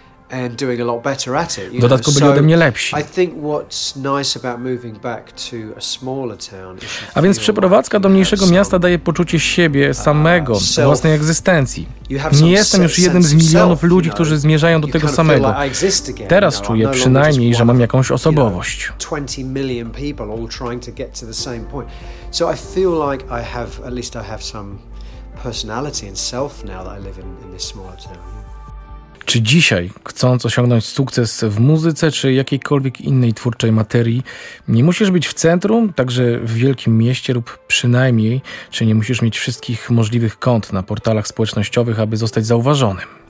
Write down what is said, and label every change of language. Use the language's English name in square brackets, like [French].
[English] And doing a lot better at it. [Polish] W dodatku byli ode mnie lepsi. [English] I think what's nice about moving back to a smaller town. [Polish] A więc przeprowadzka do mniejszego miasta daje poczucie siebie samego, własnej egzystencji. Nie jestem już jednym z milionów ludzi, którzy zmierzają do tego samego. Teraz czuję przynajmniej, że mam jakąś osobowość. [English] 20 million people all trying to get to the same point. So I feel like I have at least I have some personality and self now that I live in this smaller town. [Polish] Czy dzisiaj, chcąc osiągnąć sukces w muzyce czy jakiejkolwiek innej twórczej materii, nie musisz być w centrum, także w wielkim mieście lub przynajmniej, czy nie musisz mieć wszystkich możliwych kont na portalach społecznościowych, aby zostać zauważonym?